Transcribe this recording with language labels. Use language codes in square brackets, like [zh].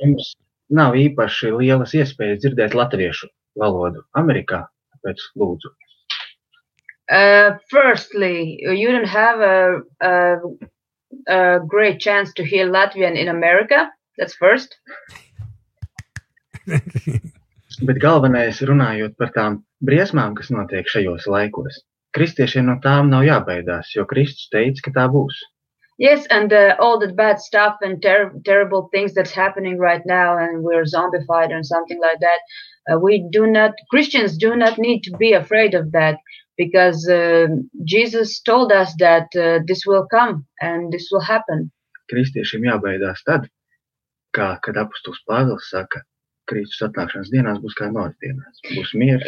[lv] jums nav īpaši lielas iespējas dzirdēt latviešu valodu Amerikā, tāpēc lūdzu. [en] Firstly, you don't have a great chance to hear Latvian in America. That's first. [lv] Bet galvenais, runājot par tām briesmām, kas notiek šajos laikos, kristiešiem no tām nav jābaidās, jo Kristus teica, ka tā būs. [en] Yes, and all the bad stuff and terrible things that's happening right now, and we're zombified and something like that. Christians do not need to be afraid of that, because Jesus told us that this will come and this will happen. [lv] Kristiešiem jābaidās tad, kad apustuls Pāvils saka, Kristus atnākšanas dienās būs kā nors dienās, būs miers.